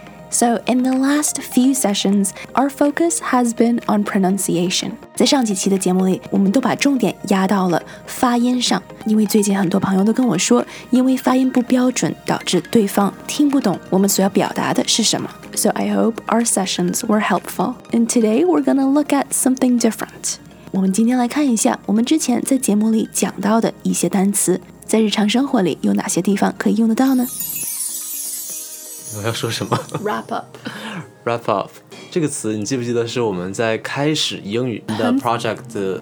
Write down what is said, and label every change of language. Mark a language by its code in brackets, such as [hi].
[en] So in the last few sessions, our focus has been on pronunciation. [zh] 在上几期的节目里，我们都把重点压到了发音上，因为最近很多朋友都跟我说，因为发音不标准导致对方听不懂我们所要表达的是什么。 [en] So I hope our sessions were helpful. And today we're gonna look at something different. [zh] 我们今天来看一下我们之前在节目里讲到的一些单词，在日常生活里有哪些地方可以用得到呢？我要说什么 [en] ？Wrap up. Wrap up. [zh] 这个词你记不记得是我们在开始英语的 project 的